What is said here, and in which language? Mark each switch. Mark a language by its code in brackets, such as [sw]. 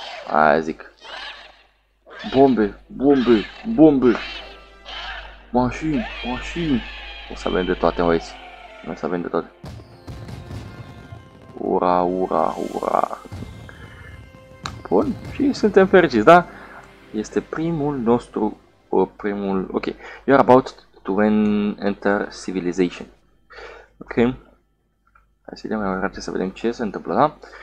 [ro] Aia zic. Bombe, bombe, bombe. Mașini, mașini. O să avem de toate, băieți. O să avem de toate. Ura, ura, ura. Bun, și suntem fericiți, da? Este primul nostru, primul, ok. [en] You are about to enter civilization. [ro] Ok. Hai să vedem mai departe, să vedem ce se întâmplă, da?